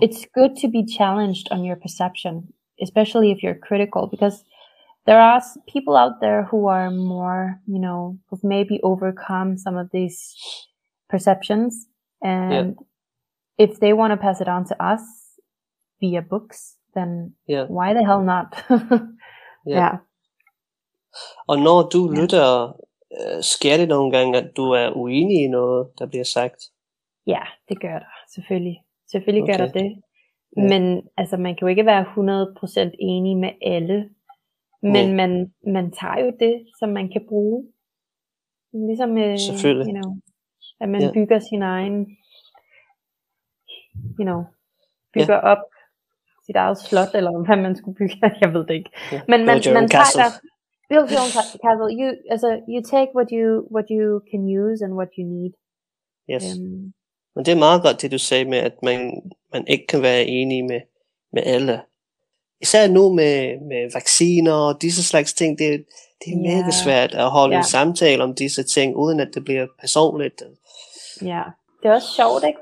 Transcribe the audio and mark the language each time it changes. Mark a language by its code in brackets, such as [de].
[en] It's good to be challenged on your perception, especially if you're critical, because there are people out there who are more, you know, who've maybe overcome some of these perceptions. And yeah. If they want to pass it on to us via books, then yeah. Why the hell not? Yeah. [da] Og når du lytter, sker det nogle gange, at du er uenig i noget, der bliver sagt? Ja, det gør der, selvfølgelig. Selvfølgelig gør der det. Ja. Men altså, man kan jo ikke være 100% enig med alle. Men man tager jo det, som man kan bruge. Ligesom med, selvfølgelig. [en] You know, [da] at man bygger sin egen, [en] you know, [da] bygger op sit eget slot, eller hvad man skulle bygge. Jeg ved det ikke. Ja. Men man tager castle. [en] Build your own castle. You, altså, you take what you can use and what you need. Yes. [da] Men det er meget godt det, du sagde med, at man ikke kan være enig med alle. Især nu med vacciner og disse slags ting, det er mega svært at holde en samtale om disse ting, uden at det bliver personligt. Ja, det er også sjovt, ikke?